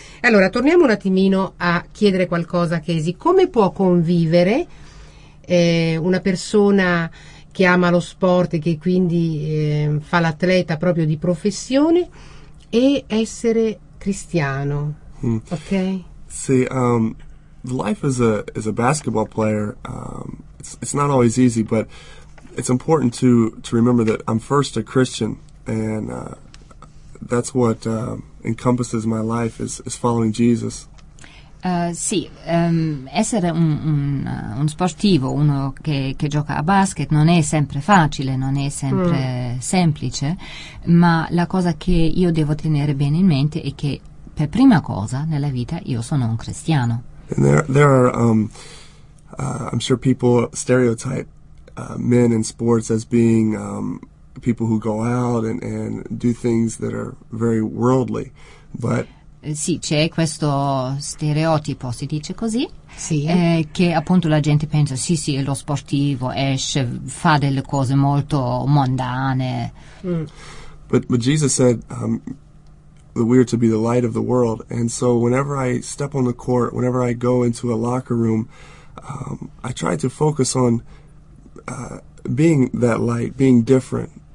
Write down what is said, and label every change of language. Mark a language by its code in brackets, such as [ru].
[it] Allora torniamo un attimino a chiedere qualcosa a Casey: come può convivere una persona che ama lo sport e che quindi fa l'atleta proprio di professione e essere cristiano? [en] Okay. See, life as a basketball player, it's not always easy, but it's important to remember that I'm first a Christian, and that's what encompasses my life is following Jesus. [it] Essere un sportivo, uno che gioca a basket, non è sempre facile, non è sempre semplice, ma la cosa che io devo tenere bene in mente è che per prima cosa nella vita io sono un cristiano. [en] And there are I'm sure people stereotype men in sports as being people who go out and do things that are very worldly, but [it] Sì, c'è questo stereotipo, si dice così, sì. Che appunto la gente pensa, sì sì, è lo sportivo, esce, fa delle cose molto mondane. [en] But Jesus said that we are to be the light of the world, and so whenever I step on the court, whenever I go into a locker room, I try to focus on being that light, being different.